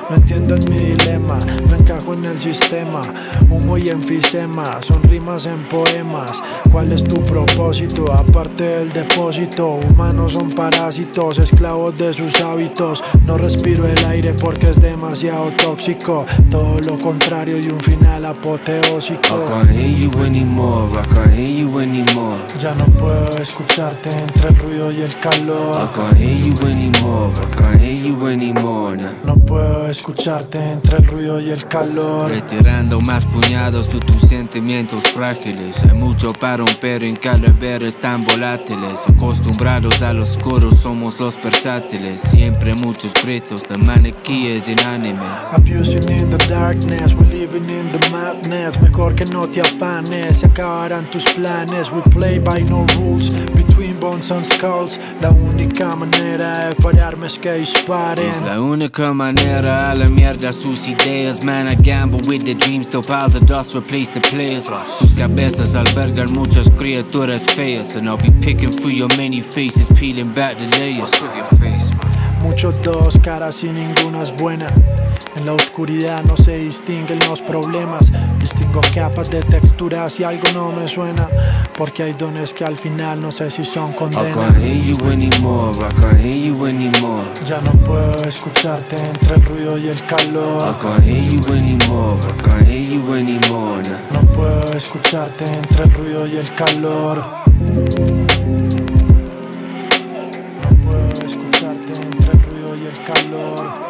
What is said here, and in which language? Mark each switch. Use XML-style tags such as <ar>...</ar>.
<es>No entiendes mi dilema. No encajo en el sistema. Humo y enfisema. Son rimas en poemas. ¿Cuál es tu propósito? Aparte del depósito, humanos son parásitos, esclavos de sus hábitos. No respiro el aire porque es demasiado tóxico. Todo lo contrario y un final apoteósico.</es> <en>I can't hear you anymore, I can't hear you anymore.</en> <es>Ya no puedo escucharte entre el ruido y el calor.</es> <en>I can't hear you anymore, I can't hear you anymore.</en> <es>No puedo escucharte entre el ruido y el calor. Retirando más puñados de tus sentimientos frágiles. Hay mucho para romper en cada vez. Están volátiles, acostumbrados a los coros, somos los versátiles. Siempre muchos gritos, la maniquía es inánime.</es> <en>Abusing in the darkness, we're living in the madness.</en> <es>Mejor que no te afanes, se acabarán tus planes.</es> <en>We play by no rules, between bones and skulls.</en> <es>La única manera de pararme es que disparen. Es la única manera, a la mierda sus ideas.</es> <en>Man, I gamble with the dreams, till piles of dust replace the players.</en> <es>Sus cabezas albergan muchas criaturas.</es> <en>And I'll be picking through your many faces, peeling back the layers. What's with your face, man?</en> <es>Muchos dos caras y ninguna es buena. En la oscuridad no se distinguen los problemas. Distingo capas de textura si algo no me suena. Porque hay dones que al final no sé si son condenas.</es> <en>I can't hear you anymore, I can't hear you anymore.</en> <es>Ya no puedo escucharte entre el ruido y el calor.</es> <en>I can't hear you anymore, I can't hear you anymore.</en> <es>No puedo escucharte entre el ruido y el calor. No puedo escucharte entre el ruido y el calor.</es>